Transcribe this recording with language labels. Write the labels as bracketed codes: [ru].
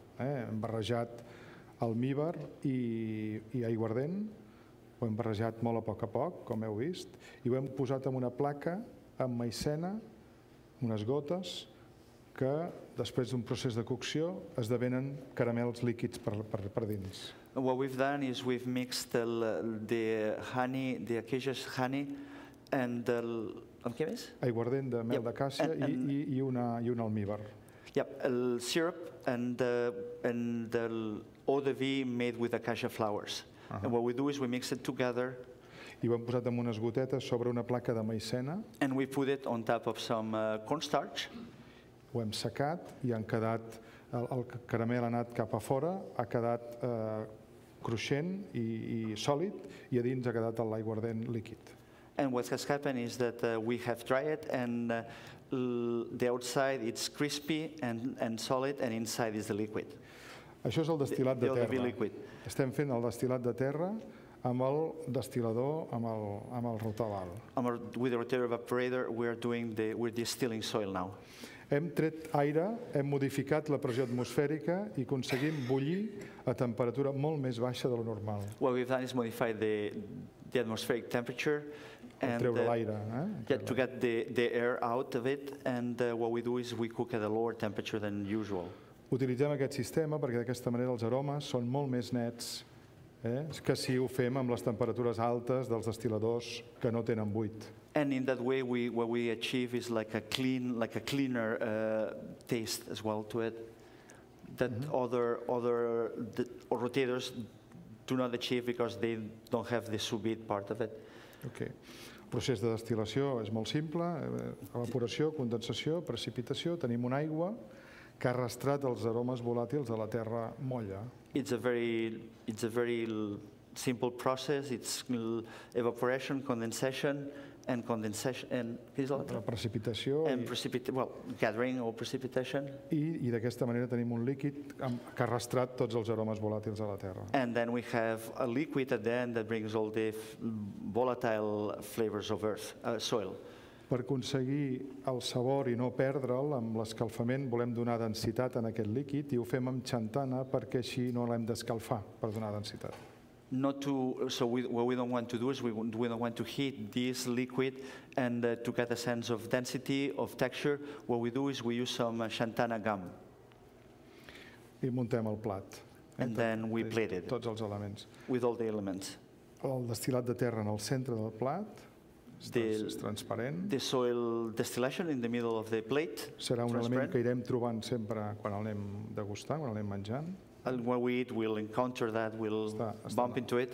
[ca] Hem barrejat almívar i aiguardent, ho hem barrejat molt a poc, com heu vist, i ho hem posat en una placa amb maicena, unes gotes, que després d'un procés de cocció esdevenen caramels líquids per dins. [en] What we've done is we've mixed the honey, the acacia's honey, and the... [ca] Aiguardent de mel d'acàcia i un almívar. [en] Yep, syrup and the eau de vie made with acacia flowers. And what we do is we mix it together. [ca] I ho hem posat en unes gotetes sobre una placa de maicena. [en] And we put it on top of some cornstarch. [ca] Ho hem secat i han quedat, el caramel ha anat cap a fora, ha quedat cruixent i sòlid, i a dins ha quedat l'aiguardent líquid. [en] And what has happened is that we have dried it, and the outside it's crispy and solid, and inside is the liquid. [ca] Això és el destil·lat de terra. Estem fent el destil·lat de terra amb el destil·lador, amb el rotaval. [en] With the rotary evaporator, we're distilling soil now. [ca] Hem tret aire, hem modificat la pressió atmosfèrica i aconseguim bullir a temperatura molt més baixa de la normal. [en] What we've done is modify the atmospheric temperature and [ca] treure l'aire, [en] to get the air out of it, and what we do is we cook at a lower temperature than usual. [ca] Utilitzem aquest sistema perquè d'aquesta manera els aromes són molt més nets que si ho fem amb les temperatures altes dels destil·ladors que no tenen buit. [en] And in that way, what we achieve is like a cleaner taste as well to it that other rotators do not achieve because they don't have the sous-vide part of it. Okay. [ca] Procés de destil·lació és molt simple: evaporació, condensació, precipitació. Tenim una aigua que ha arrastrat els aromes volàtils de la terra molla. [en] It's a very simple process. It's evaporation, condensation. And condensation and gathering or precipitation. [ca] I d'aquesta manera tenim un líquid que ha arrastrat tots els aromes volàtils a la terra. [en] And then we have a liquid at the end that brings all the volatile flavors of earth, soil. [ca] Per aconseguir el sabor i no perdre'l amb l'escalfament, volem donar densitat en aquest líquid i ho fem amb xantana perquè així no l'hem d'escalfar per donar densitat. [en] What we don't want to heat this liquid, and to get a sense of density, of texture, what we do is we use some xantana gum. [ca] I muntem el plat. [en] And then we plate it. [ca] Tots els elements. [en] With all the elements. [ca] El destil·lat de terra en el centre del plat, és transparent. [en] The soil distillation in the middle of the plate. [ca] Serà un element que irem trobant sempre quan anem degustant, quan anem menjant. [en] And when we eat, we'll encounter that, we'll bump into it.